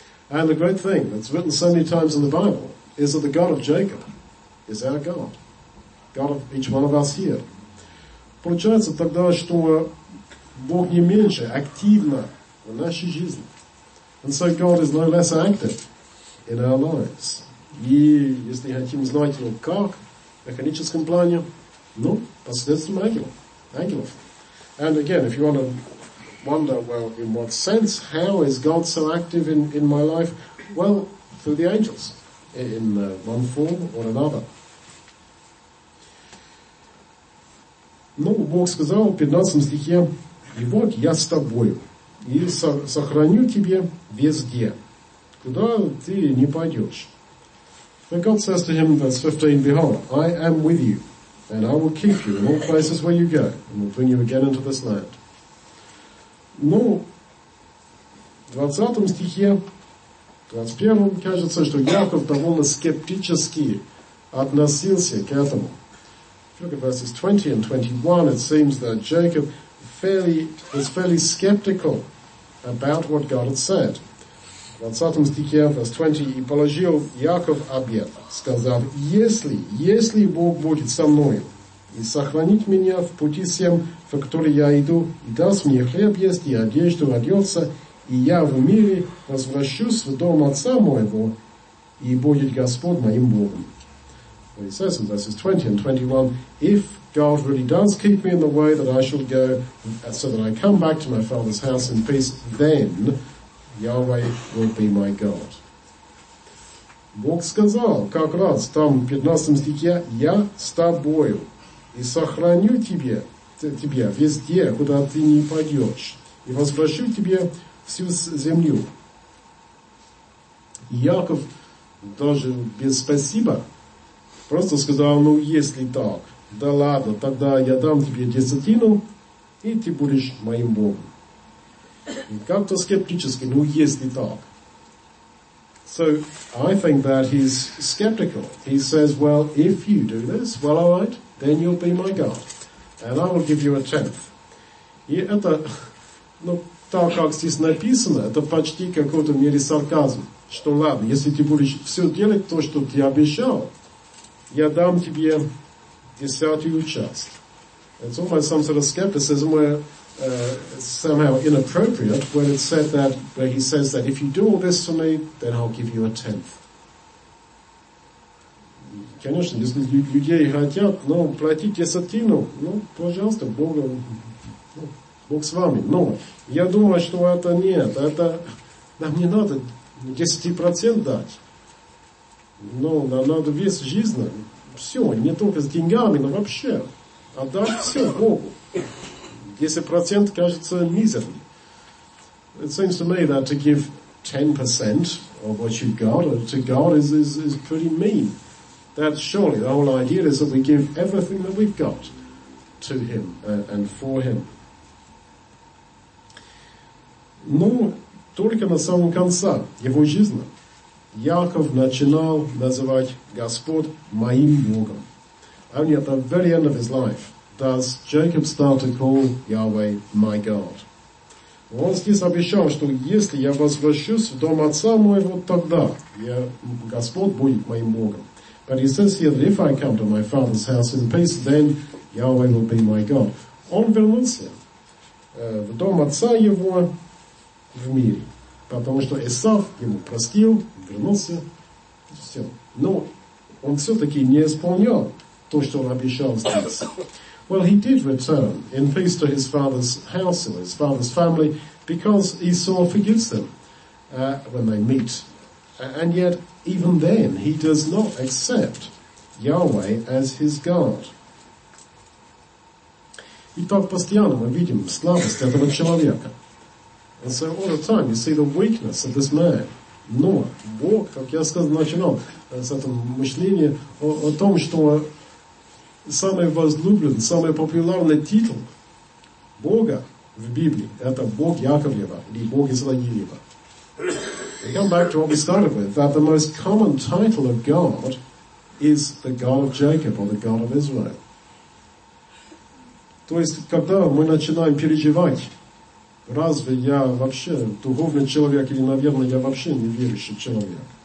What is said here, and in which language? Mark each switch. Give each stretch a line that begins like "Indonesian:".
English: And the great thing that's written so many times in the Bible is that the God of Jacob is our God. God of each one of us here.
Russian: Получается тогда, что Бог не меньше активно в нашей жизни.
English: And so God is no less active in our lives.
Russian: И если хотим знать его как, в механическом плане, ну, посредством ангелов.
English: And again, if you want to wonder, well, in what sense, how is God so active in my life? Well, through the angels, in one form or another.
Russian: Ну, Бог сказал в 15 стихе, и вот я с тобою, и сохраню тебе везде, куда ты не пойдешь.
English: And God says to him, verse 15, behold, I am with you, and I will keep you in all places where you go, and will bring you again into this land.
Russian: Ну, в 20 стихе, 21, кажется, что Яков довольно скептически относился к этому.
English: If you look at verses 20 and 21, it seems that Jacob was fairly skeptical about what God had said.
Russian: В 20 стихе,
English: verse 20,
Russian: и положил Яков обет, сказав, если Бог будет со мною, и сохранить меня в пути всем, в который я иду, и даст мне хлеб есть, и одежду одеться, и я в мире возвращусь в дом отца моего, и будет Господь моим Богом.
English: Well, he says in verses 20 and 21, if God really does keep me in the way that I shall go, so that I come back to my father's house in peace, then Yahweh will be my God.
Russian: Бог сказал, как раз там в 15 стихе, я с тобою. И сохраню тебя везде, куда ты не пойдешь. И возвращу тебе всю землю. И Яков даже без спасибо просто сказал, ну если так, да ладно, тогда я дам тебе десятину, и ты будешь моим Богом. И как-то скептически, ну если так.
English: So, I think that he's skeptical. He says, well, if you do this, well, all right, then you'll be my God. And I will give you a tenth.
Russian: И это, ну, так как здесь написано, это почти какой-то мере сарказм. Что ладно, если ты будешь все делать то, что ты обещал, я дам тебе десятую часть.
English: It's almost some sort of skepticism where, somehow inappropriate when it said that, where he says that if you do all this for me, then I'll give you a tenth.
Russian: Конечно, если люди хотят, но платить десятину, ну, пожалуйста, Бог, Бог с вами. Но я думаю, что это нет, это нам не надо 10% дать. Но нам надо весь жизнь, все, не только с деньгами, но вообще отдать все Богу. 10% кажется мизерным.
English: It seems to me that to give 10% of what you've got to God is pretty mean. That surely the whole idea is that we give everything that we've got to him and for him.
Russian: Но только на самом конце его жизни Яков начинал называть Господь моим Богом.
English: Only at the very end of his life does Jacob start to call Yahweh my God.
Russian: Он здесь обещал, что если я возвращусь в дом отца моего, тогда я, Господь будет моим Богом.
English: But he says here that if I come to my father's house in peace, then Yahweh will be my God.
Russian: Он вернулся в дом отца его в мире, потому что Эсав ему простил, вернулся, все. Но он все-таки не исполнил то, что он обещал здесь.
English: Well, he did return in peace to his father's house or his father's family because Esau forgives them when they meet. And yet, even then, he does not accept Yahweh as his God.
Russian: Итак, постоянно мы видим слабость этого человека.
English: And so all the time you see the weakness of this man.
Russian: Но Бог, как я сказал, начинал с этого мышления о том, что самый возлюбленный, самый популярный титул Бога в Библии – это Бог Яковлева или Бог Израилева.
English: We come back to what we started with, that the most common title of God is the God of Jacob or the God of Israel.
Russian: То есть, когда мы начинаем переживать, разве я вообще духовный человек или, наверное, я вообще неверующий человек?